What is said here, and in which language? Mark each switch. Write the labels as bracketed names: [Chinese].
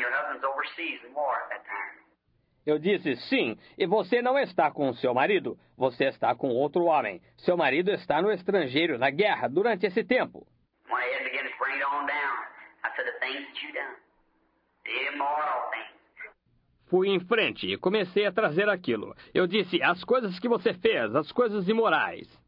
[English] Your husband's overseas in war at that time. [Portuguese] Eu disse, sim, e você não está com o seu marido. Você está com outro homem. Seu marido está no estrangeiro, na guerra, durante esse tempo. [English] When he began to bring it on down, I said, the things that you've done, the immoral things. [Portuguese] Fui em frente e comecei a trazer aquilo. Eu disse, as coisas que você fez, as coisas imorais.